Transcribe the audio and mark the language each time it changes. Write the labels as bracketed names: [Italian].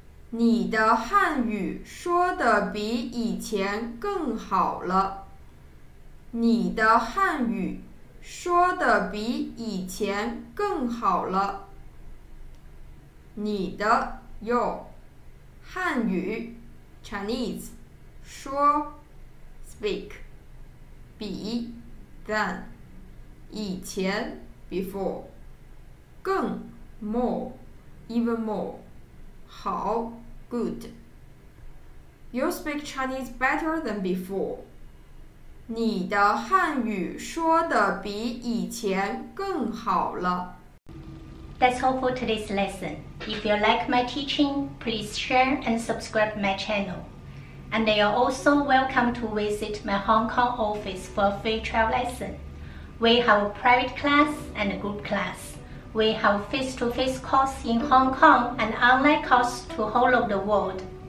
[Chinese] 你的汉语说得比以前更好了。你的汉语说得比以前更好了。你的 [English] your [Chinese] 汉语 [English] Chinese [Chinese] 说 [English] speak [Chinese] 比 [English] than [Chinese] 以前 [English] before [Chinese] 更 [English] more even more [Chinese] 好 [English] good You speak Chinese better than before. [Chinese] 你的汉语说得比以前更好了。 [English] That's all for today's lesson. If you like my teaching, please share and subscribe my channel. And you're also welcome to visit my Hong Kong office for a free trial lesson. We have a private class and a group class. We have face-to-face course in Hong Kong and online course to whole of the world.